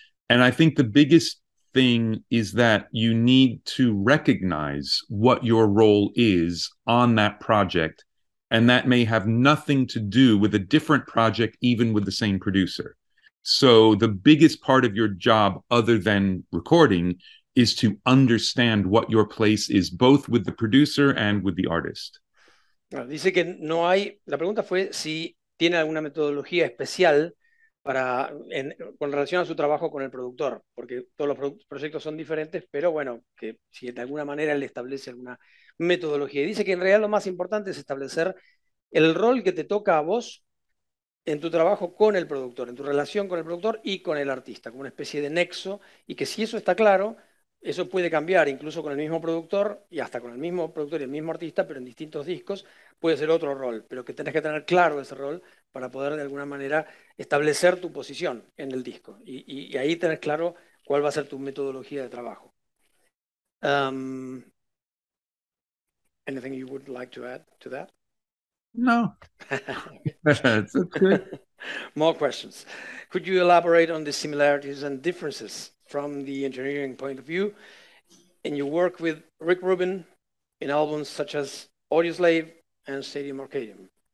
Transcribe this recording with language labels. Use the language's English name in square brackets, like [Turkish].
[English] And I think the biggest thing is that you need to recognize what your role is on that project, and that may have nothing to do with a different project, even with the same producer. So the biggest part of your job, other than recording, is to understand what your place is both with the producer and with the artist. [Spanish] Dice que no hay, la pregunta fue si tiene alguna metodología especial para con relación a su trabajo con el productor, porque todos los proyectos son diferentes, pero bueno, que si de alguna manera él establece alguna metodología. Dice que en realidad lo más importante es establecer el rol que te toca a vos en tu trabajo con el productor, en tu relación con el productor y con el artista, como una especie de nexo, y que si eso está claro, eso puede cambiar incluso con el mismo productor y hasta con el mismo productor y el mismo artista, pero en distintos discos puede ser otro rol, pero que tenés que tener claro ese rol para poder de alguna manera establecer tu posición en el disco y ahí tenés claro cuál va a ser tu metodología de trabajo. [English] Anything you would like to add to that? No. That's good. More questions. Could you elaborate on the similarities and differences from the engineering point of view in your work with Rick Rubin in albums such as Audioslave and Stadium Arcadium?